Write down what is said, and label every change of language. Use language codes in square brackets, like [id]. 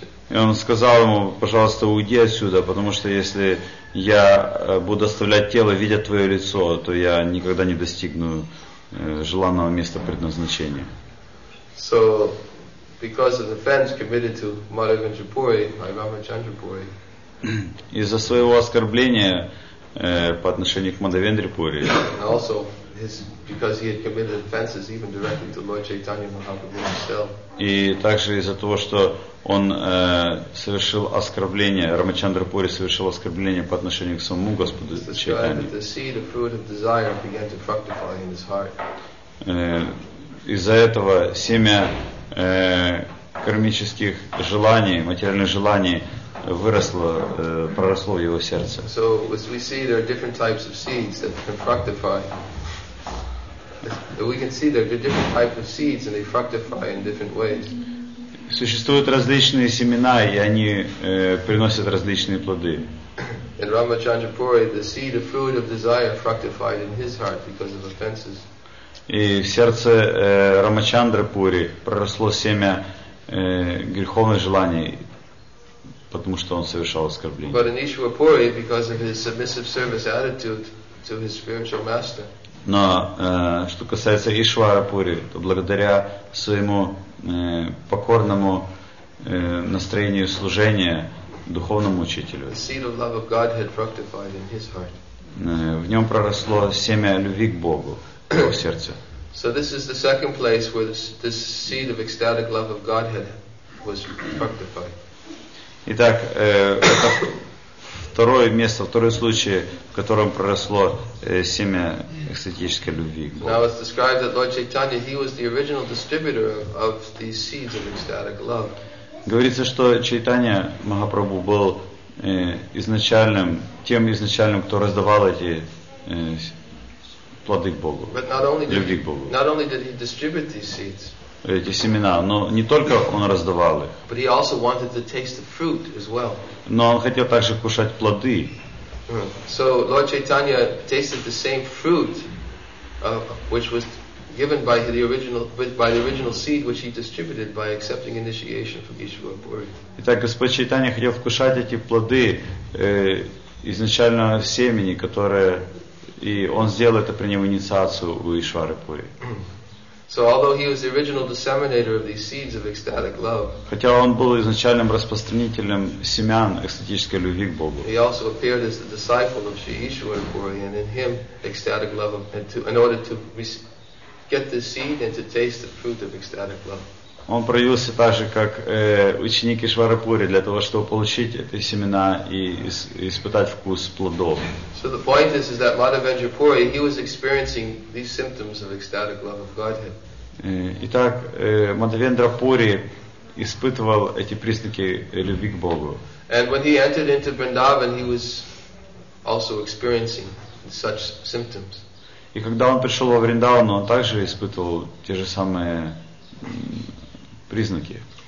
[ru] И он сказал ему, пожалуйста, уйди отсюда, потому что если я буду оставлять тело, видя твое лицо, то я никогда не достигну желанного места предназначения. [en] So, because of the offense committed to Madhavendra Puri by Рамачандра Пури, [ru] из-за своего оскорбления по отношению к Мадхавендре Пури. [en] And also because he had committed offenses even directly to Lord Chaitanya Mahaprabhu himself. [ru] И также из-за того, что он совершил оскорбление, Рамачандра Пури совершил оскорбление по отношению к самому Господу Чайтанье. [en] The seed of fruit of desire began to fructify in his heart. [ru] Из-за этого семя кармических желаний, материальных желаний выросло, проросло в его сердце. [en] So, as we see, there are different types of seeds that can fructify. We can see there are different types of seeds and they fructify in different ways. [ru] Существуют различные семена, и они приносят различные плоды. [en] In Рамачандра Пури, the seed of fruit of desire fructified in his heart because of offenses. [ru] И в сердце Рамачандра Пури проросло семя греховных желаний, потому что он совершал оскорбление. [en] But in Ишвара Пури, because of his submissive service attitude to his spiritual master. [ru] Но что касается Ишвара Пури, то благодаря своему покорному настроению служения духовному учителю. [en] The seed of love of God had fructified in his heart. [ru] В нем проросло семя любви к Богу в его сердце. [en] So this is the second place where this seed of ecstatic love of God had was fructified. [ru] Итак, это второе место, второй случай, в котором проросло семя экстатической любви к Богу. [en] Now it's described that Lord Chaitanya, he was the original distributor of these seeds of ecstatic love. [ru] Говорится, что Чайтанья Махапрабху был изначальным, тем изначальным, кто раздавал эти плоды к Богу, любви к Богу. [en] Not only did he distribute these seeds, [ru] эти семена, но не только он раздавал их, [en] but he also wanted to taste the fruit as well. [ru] Но он хотел также кушать плоды. [en] So Lord Chaitanya tasted the same fruit, which was given by the original seed which he distributed by accepting initiation from Ishvara Puri. [ru] Итак, Господь Чайтанья хотел вкушать эти плоды изначально семени, которое и он сделал это, приняв инициацию у Ишвары Пури. [en] So although he was the original disseminator of these seeds of ecstatic love, [ru] хотя он был изначальным распространителем семян экстатической любви к Богу, [en] he also appeared as the disciple of Sri Ishvara Puri, and in him ecstatic love, in order to get the seed and to taste the fruit of ecstatic love. [ru] Он проявился также как ученик Ишвары Пури для того, чтобы получить эти семена и испытать вкус плодов. [en] So the point is that Madhavendra Puri, he was experiencing these symptoms of ecstatic love of Godhead. [ru] Итак, Мадхавендра Пури испытывал эти признаки любви к Богу. [en] And when he entered into Vrindavan, he was also experiencing such symptoms. [ru] И когда он пришел во Вриндаван, он также испытывал те же самые признаки.